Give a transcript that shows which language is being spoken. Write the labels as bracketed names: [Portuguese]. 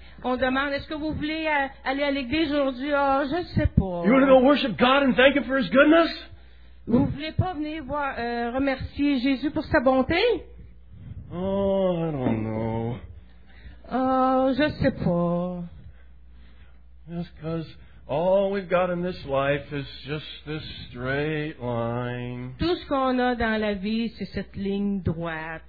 [French] On demande, est-ce que vous voulez aller à l'église aujourd'hui? Oh, je ne sais pas. [English] You want to go worship God and thank Him for His goodness? [French] Vous ne voulez pas venir voir, remercier Jésus pour sa bonté? [English] Oh, I don't know. [French] Oh, je ne sais pas. [English] Yes, because all we've got in this life is just this straight line. [French] Tout ce qu'on a dans la vie, c'est cette ligne droite.